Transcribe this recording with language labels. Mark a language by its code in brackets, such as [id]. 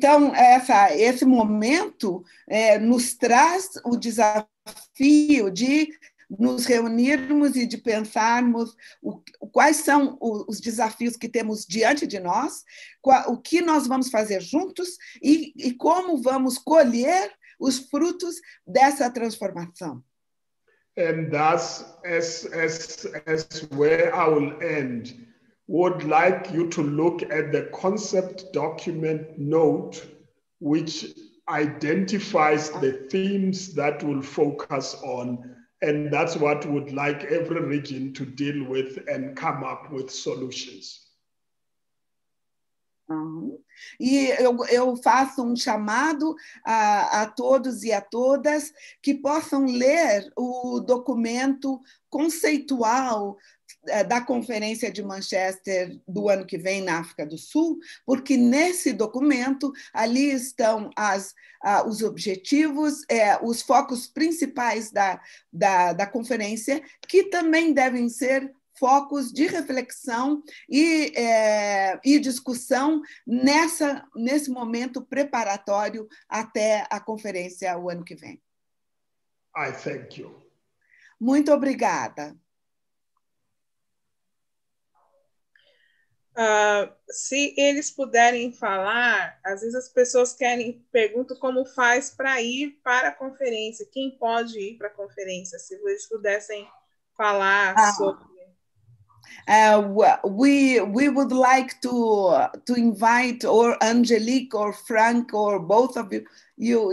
[pt] Então, esse momento nos traz o desafio de nos reunirmos e de pensarmos quais são os desafios que temos diante de nós, o que nós vamos fazer juntos e como vamos colher os frutos dessa transformação. [en] And thus, as where I will end, would like you to look at the concept document note, which identifies the themes that we'll focus on. And that's what would like every region to deal with and come up with solutions. [pt] E eu faço um chamado a todos e a todas que possam ler o documento conceitual da Conferência de Manchester do ano que vem na África do Sul, porque nesse documento ali estão os objetivos, os focos principais da conferência, que também devem ser focos de reflexão e discussão nesse momento preparatório até a conferência o ano que vem. [en] I thank you. [pt] Muito obrigada. Se eles puderem falar, às vezes as pessoas querem perguntam como faz para ir para a conferência, quem pode ir para a conferência, se eles pudessem falar sobre. [en] We would like to invite or Angelique or Frank or both of you.